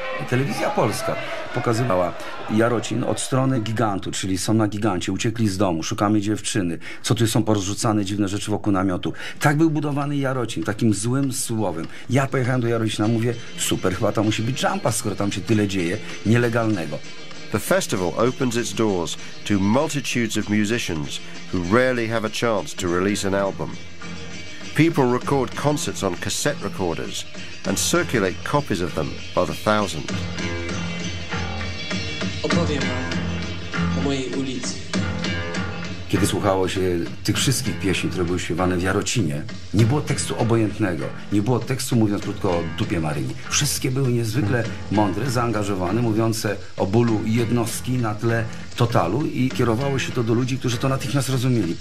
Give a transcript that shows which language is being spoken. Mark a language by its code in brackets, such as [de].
[pl] Telewizja Polska pokazywała Jarocin od strony gigantu, czyli są na gigancie, uciekli z domu, szukamy dziewczyny, co tu są porozrzucane dziwne rzeczy wokół namiotu. Tak był budowany Jarocin, takim złym słowem. Ja pojechałem do Jarocina, mówię, super, chyba to musi być żampa, skoro tam się tyle dzieje nielegalnego. [en] The festival opens its doors to multitudes of musicians who rarely have a chance to release an album. People record concerts on cassette recorders and circulate copies of them by the thousand. [pl] Opowiem wam o mojej ulicy. Kiedy słuchało się tych wszystkich pieśni, które były śpiewane w Jarocinie, nie było tekstu obojętnego, nie było tekstu, mówiąc krótko, o dupie Maryi. Wszystkie były niezwykle mądre, zaangażowane, mówiące o bólu jednostki na tle totalu i kierowało się to do ludzi, którzy to natychmiast rozumieli.